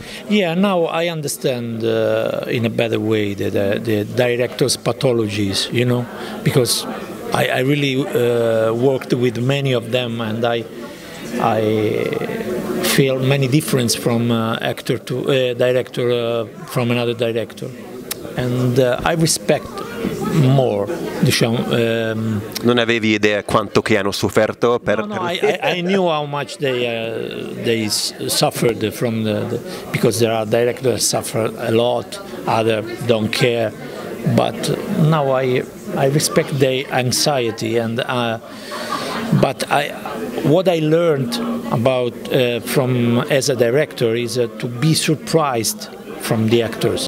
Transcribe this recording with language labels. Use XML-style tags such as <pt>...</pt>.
<en>Yeah, now I understand in a better way the director's pathologies, you know, because I really worked with many of them, and I feel many difference from actor to director from another director. And I respect more,</en> <it>diciamo. Non avevi idea quanto che hanno sofferto per.</it> <en>No, I knew how much they suffered from the because there are directors that suffer a lot, others don't care, but now I respect their anxiety and. What I learned about from as a director is to be surprised from the actors.</en>